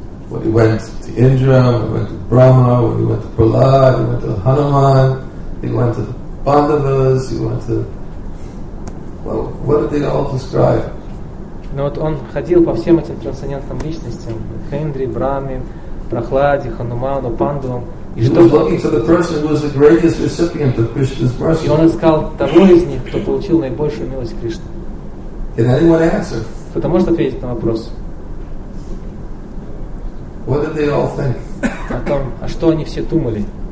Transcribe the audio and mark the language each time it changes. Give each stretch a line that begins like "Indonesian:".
English: When he went to Indra, when he went to Brahma, when he went to Prahlad, he went to Hanuman, he went to Pandavas, he went to... Well, what did they all describe?
Russian: Но вот он ходил по всем этим трансцендентным личностям, к Индре, Брахме, Прахладе, Хануману, Пандавам.
English: He was looking for the person who was the greatest recipient of Krishna's mercy.
Russian: И он искал того из них, кто получил наибольшую милость Кришны.
English: Can anyone answer?
Russian: Кто-то может ответить на вопрос?
English: What did they all think?
Russian: О том, а что они все думали?